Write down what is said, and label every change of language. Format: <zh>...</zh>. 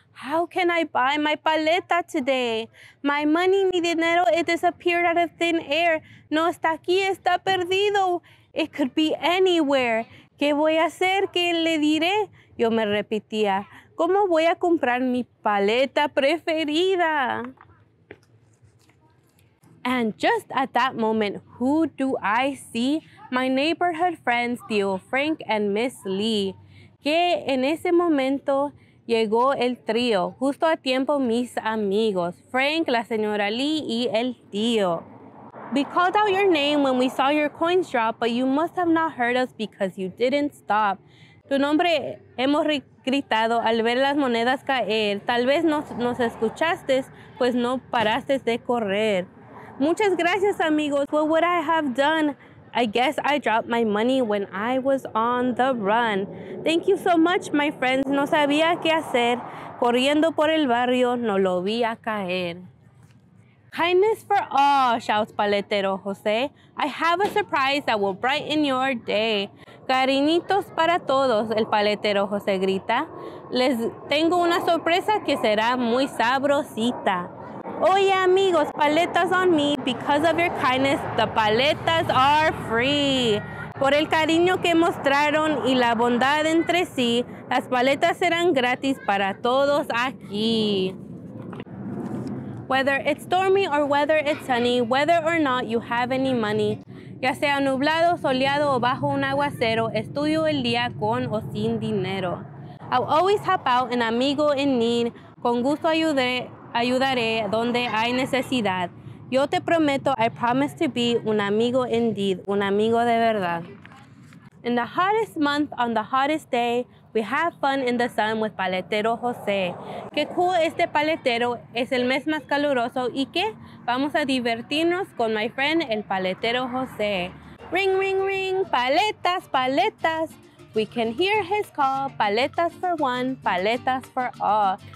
<en>How can I buy my paleta today? My money,</en> <es>mi dinero,</es> <en>it disappeared out of thin air.</en> <es>No está aquí, está perdido.</es> <en>It could be anywhere.</en> <es>¿Qué voy a hacer? ¿Qué le diré? Yo me repetía, ¿cómo voy a comprar mi paleta preferida?</es> <en>And just at that moment, who do I see? My neighborhood friends, Tío Frank and Miss Lee.</en> <es>Que en ese momento llegó el trío, justo a tiempo mis amigos, Frank, la señora Lee y el tío.</es> <en>We called out your name when we saw your coins drop, but you must have not heard us because you didn't stop.</en> <es>Tu nombre hemos gritado al ver las monedas caer. Tal vez nos escuchaste, pues no paraste de correr. Muchas gracias, amigos.</es> <en>What would I have done? I guess I dropped my money when I was on the run. Thank you so much, my friends.</en> <es>No sabía qué hacer. Corriendo por el barrio, no lo vi a caer.</es> <en>Kindness for all, shouts Paletero Jose. I have a surprise that will brighten your day.</en> <es>Cariñitos para todos, el paletero José grita. Les tengo una sorpresa que será muy sabrosita. Oye, amigos,</es> <en>paletas on me. Because of your kindness, the paletas are free.</en> <es>Por el cariño que mostraron y la bondad entre sí, las paletas serán gratis para todos aquí.</es> <en>Whether it's stormy or whether it's sunny, whether or not you have any money,</en> <es>ya sea nublado, soleado o bajo un aguacero, es tuyo el día con o sin dinero.</es> <en>I'll always help out an amigo in need.</en> <es>Con gusto ayudaré donde hay necesidad. Yo te prometo,</es> <en>I promise to be</en> <es>un amigo indeed, un amigo de verdad.</es> <en>In the hottest month, on the hottest day, we have fun in the sun with Paletero José.</en> <es>Qué cool este paletero, es el mes más caluroso y qué, vamos a divertirnos con</es> <en>my friend,</en> <es>el paletero José.</es> <en>Ring, ring, ring, paletas, paletas. We can hear his call, paletas for one, paletas for all.</en>